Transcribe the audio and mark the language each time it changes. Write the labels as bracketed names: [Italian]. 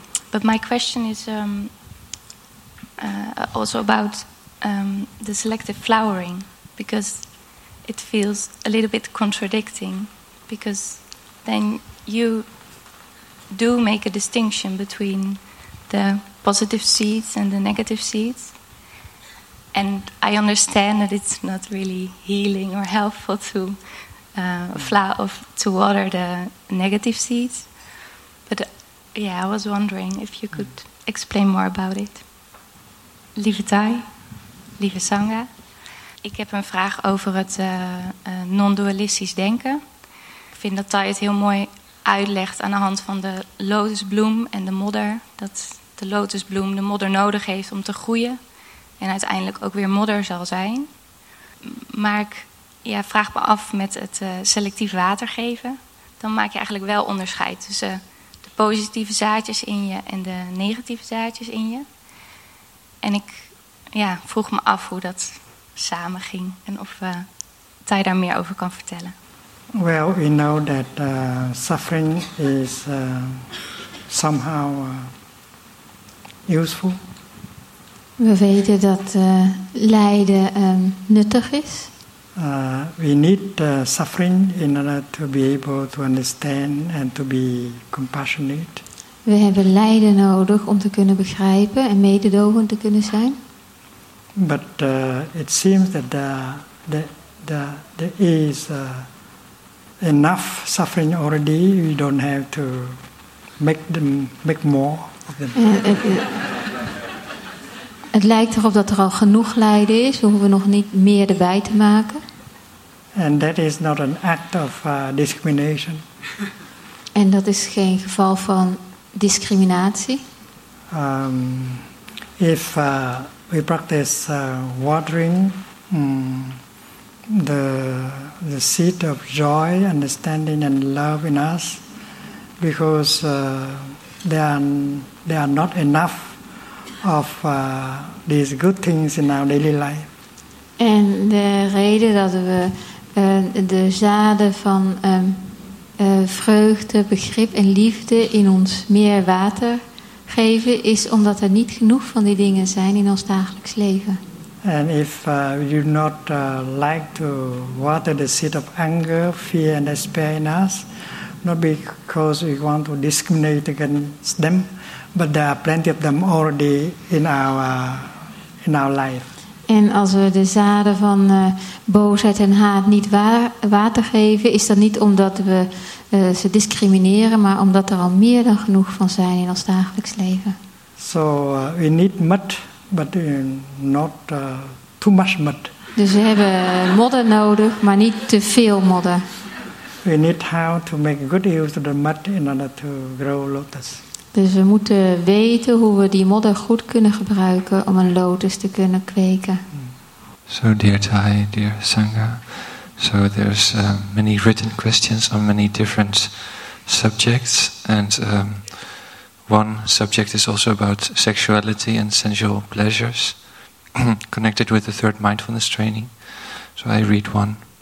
[English] But my question is also about the selective flowering, because it feels a little bit contradicting, because then you do make a distinction between the positive seeds and the negative seeds. And I understand that it's not really healing or helpful to water the negative seeds. But I was wondering if you could explain more about it. [Dutch] Lieve Thay, lieve Sangha, ik heb een vraag over het non-dualistisch denken. Ik vind dat Thay het heel mooi uitlegt aan de hand van de lotusbloem en de modder. Dat de lotusbloem de modder nodig heeft om te groeien. En uiteindelijk ook weer modder zal zijn. Maar ik vraag me af met het selectief water geven. Dan maak je eigenlijk wel onderscheid tussen de positieve zaadjes in je en de negatieve zaadjes in je. En ik vroeg me af hoe dat samen ging. En of Thay daar meer over kan vertellen. [English] Well, we know that suffering is somehow useful. [Dutch] We weten dat lijden nuttig is. [English] We need suffering in order to be able to understand and to be compassionate. [Dutch] We hebben lijden nodig om te kunnen begrijpen en mededogend te kunnen zijn. [English] But it seems that there is enough suffering already. We don't have to make more of them. [Dutch] Het lijkt erop dat er al genoeg lijden is. We hoeven nog niet meer erbij te maken. [English] And that is not an act of discrimination. [Dutch] En dat is geen geval van discriminatie. [English] If we practice watering, the seed of joy, understanding, and love in us, because there are not enough of these good things in our daily life. [Dutch] En de reden dat we de zaden van vreugde, begrip en liefde in ons meer water geven, is omdat er niet genoeg van die dingen zijn in ons dagelijks leven. [English] And if you do not like to water the seed of anger, fear and despair in us, not because we want to discriminate against them, but there are plenty of them already in our life. [Dutch] En als we de zaden van boosheid en haat niet water geven, is dat niet omdat we ze discrimineren, maar omdat er al meer dan genoeg van zijn in ons dagelijks leven. [English] So we need mud, but not too much mud. [Dutch] Dus we hebben modder nodig, maar niet te veel modder. [English] We need how to make good use of the mud in order to grow lotus. [Dutch] Dus we moeten weten hoe we die modder goed kunnen gebruiken om een lotus te kunnen kweken. [English] So dear Thai, dear Sangha, so there's many written questions on many different subjects, and one subject is also about sexuality and sensual pleasures connected with the third mindfulness training. So I read one.